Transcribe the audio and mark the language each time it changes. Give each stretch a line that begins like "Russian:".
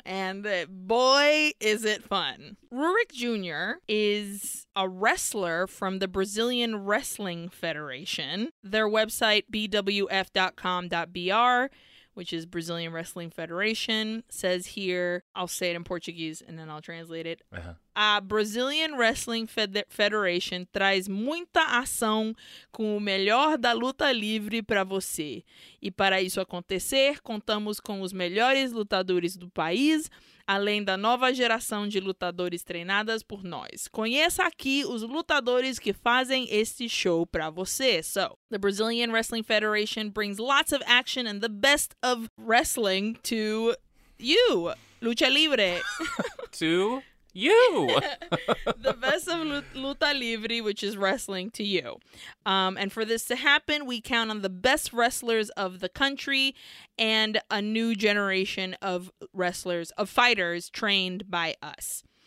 English: And boy, is it fun. Rurik Jr. is a wrestler from the Brazilian Wrestling Federation. Their website, bwf.com.br, which is Brazilian Wrestling Federation, says here, I'll say it in Portuguese and then I'll translate it.
Portuguese: Brazilian Wrestling Federation traz muita ação com o melhor da luta livre para você. E para isso acontecer, contamos com os melhores lutadores do país, além da nova geração de lutadores treinadas por nós. Conheça aqui os lutadores que fazem este show para você.
English: So, the Brazilian Wrestling Federation brings lots of action and the best of wrestling to you, Lucha Libre. To you. The best of luta livre, which is wrestling, to you. And for this to happen, we count on the best wrestlers of the country and a new generation of wrestlers, of fighters trained by us.